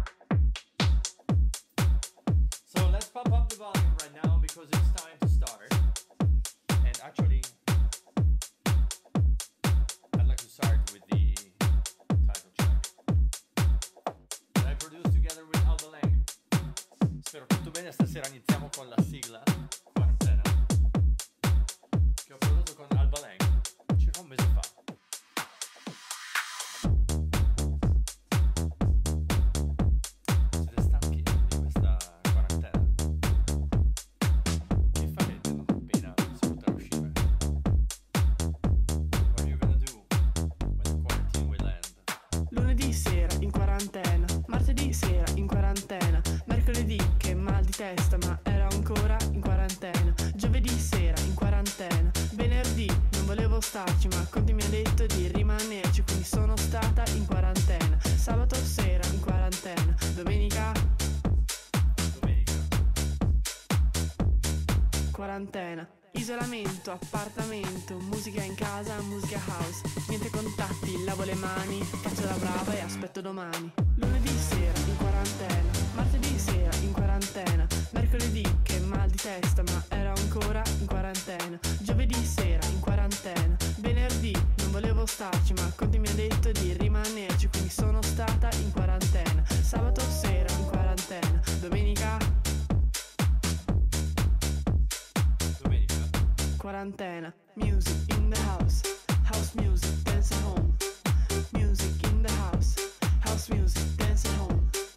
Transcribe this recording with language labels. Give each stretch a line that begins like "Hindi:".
English: So let's pump up the volume right now because it's time to start. And actually, I'd like to start with the title track that I produced together with Aldo Lang.
Italian: Spero tutto bene, stasera iniziamo con la sigla. Quarantena. Che ho prodotto con Aldo Lang. Un mese fa. Siete stanchi di questa quarantena? Mi farete una pena se potrò uscire.
English: What are you gonna do when the quarantine will end?
Italian: Lunedì sera in quarantena, martedì sera in quarantena, mercoledì che mal di testa ma ero ancora in quarantena, giovedì sera in quarantena, venerdì non volevo starci ma Conti mi ha detto di rimanerci, quindi sono stata in quarantena, sabato sera in quarantena, domenica quarantena. Isolamento, appartamento, musica in casa, musica house, niente contatti, lavo le mani, faccio la brava e aspetto domani. Lunedì sera in quarantena, martedì sera in quarantena, mercoledì che mal di testa ma ero ancora in quarantena, giovedì sera in quarantena, venerdì non volevo starci ma Conti mi ha detto di rimanerci, quindi sono stata in quarantena, sabato sera in quarantena, domenica quarantena.
English: Music in the house, house music, dance at home. Music in the house, house music, dance at home.